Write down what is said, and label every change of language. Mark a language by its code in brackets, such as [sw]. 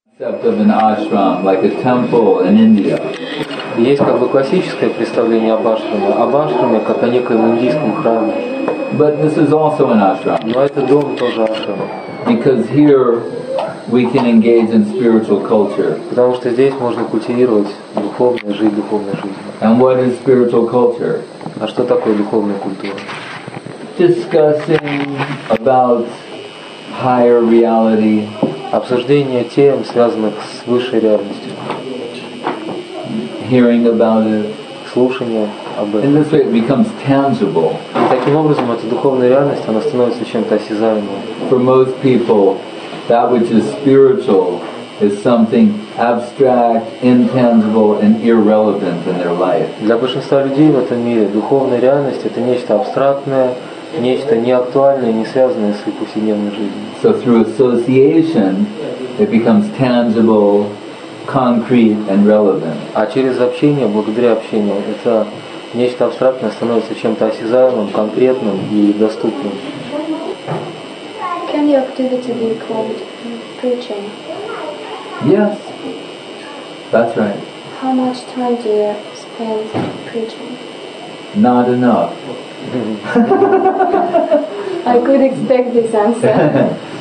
[en] Concept of an ashram, like a temple in India. [ru] Есть как бы классическое представление об ашраме. Об ашраме как о некоем индийском храме. [en] But this is also an ashram. [ru] Но это дом тоже ашрама. [en] Because here we can engage in spiritual culture. [ru] Потому что здесь можно культивировать духовную жизнь, духовную жизнь. [en] And what is spiritual culture? [ru] А что такое духовная культура? [en] Discussing about higher reality. [ru] Обсуждение тем, связанных с высшей реальностью. [en] Hearing about it. [ru] Слушание об этом. [en] In this way it becomes tangible. [ru] И таким образом эта духовная реальность, она становится чем-то осязаемым. [en] For most people, that which is spiritual is something abstract, intangible, and irrelevant in their life. [ru] Для большинства людей в этом мире духовная реальность — это нечто абстрактное, нечто неактуальное, не связанное с их повседневной жизнью. [en] So through association, it becomes tangible, concrete, and relevant. [ru] А через общение, благодаря общению, это нечто абстрактное становится чем-то осязаемым, конкретным и доступным. [en] Can the activity be called preaching? Yes, that's right. How much time do you spend preaching? Not enough. I could expect this answer.